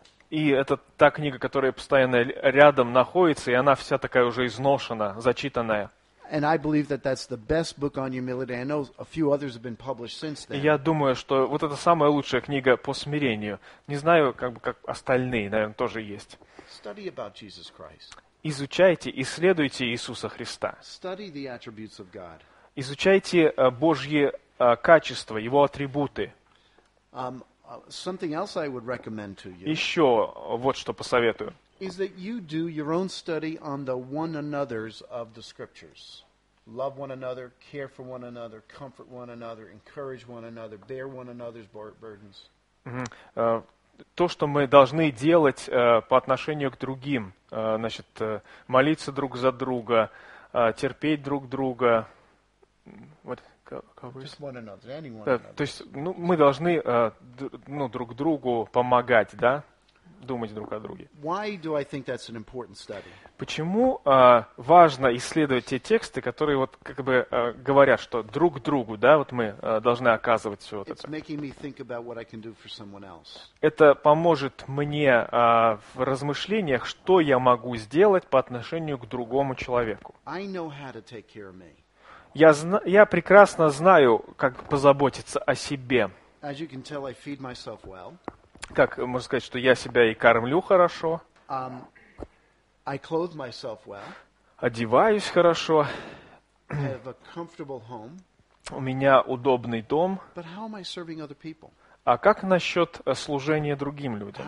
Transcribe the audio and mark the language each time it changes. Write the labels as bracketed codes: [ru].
[ru] И это та книга, которая постоянно рядом находится, и она вся такая уже изношена, зачитанная. [en] And I believe that that's the best book on humility. I know a few others have been published since then. [ru] Я думаю, что вот это самая лучшая книга по смирению. Не знаю, как остальные, наверное, тоже есть. [en] Study about Jesus Christ. [ru] Изучайте, исследуйте Иисуса Христа. [en] Study the attributes of God. [ru] Изучайте Божьи качества, его атрибуты. [en] Something else I would recommend to you. Еще вот что посоветую. Is that you do your own study on the one another's of the scriptures. Love one another, care for one another, comfort one another, encourage one another, bear one another's burdens. [ru] То, что мы должны делать по отношению к другим, значит, молиться друг за друга, терпеть друг друга. Вот. То есть, ну, мы должны ну, друг другу помогать, да? Думать друг о друге. [en] Why do I think that's an important study? [ru] Почему важно исследовать те тексты, которые вот как бы говорят, что друг другу, да, вот мы должны оказывать все вот [en] it's [ru] это. [en] Making me think about what I can do for someone else. [ru] Это поможет мне в размышлениях, что я могу сделать по отношению к другому человеку. [en] I know how to take care of me. [ru] Я прекрасно знаю, как позаботиться о себе. [en] As you can tell, I feed myself well. [ru] Как можно сказать, что я себя и кормлю хорошо. [en] I clothe myself well. [ru] Одеваюсь хорошо. [en] I have a comfortable home. [ru] У меня удобный дом. [en] But how am I serving other people? [ru] А как насчет служения другим людям?